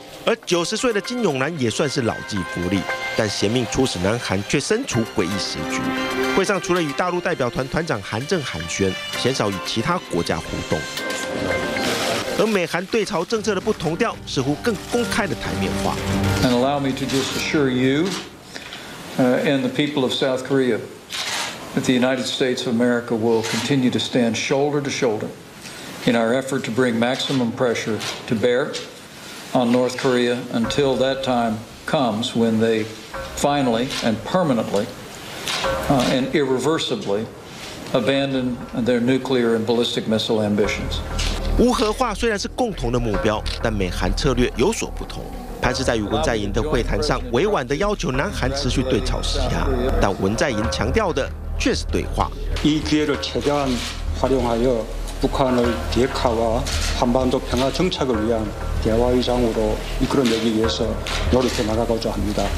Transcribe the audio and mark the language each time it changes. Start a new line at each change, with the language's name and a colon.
Chinese: 而90岁的金永南也算是老骥伏枥，但嫌命出使南韩却身处诡异时局。会上除了与大陆代表团团长韩正寒暄，鲜少与其他国家互动。而美韩对朝政策的不同调，似乎更公开的台面化。
English: And allow me to just assure you, and the people of South Korea, that the United States of America will continue to stand shoulder to shoulder in our effort to bring maximum pressure to bear. On North Korea until that time comes when they finally and permanently and irreversibly abandon their nuclear and ballistic missile ambitions.
Chinese: 无核化虽然是共同的目标，但美韩策略有所不同。潘石屹与文在寅的会谈上，委婉地要求南韩持续对朝施压，但文在寅强调的却是对话。
Korean: 이기회를최대한활용하여북한의비핵화와한반도평화정착을위한대화의장으로이끌어내기위해서노력해나가고자합니다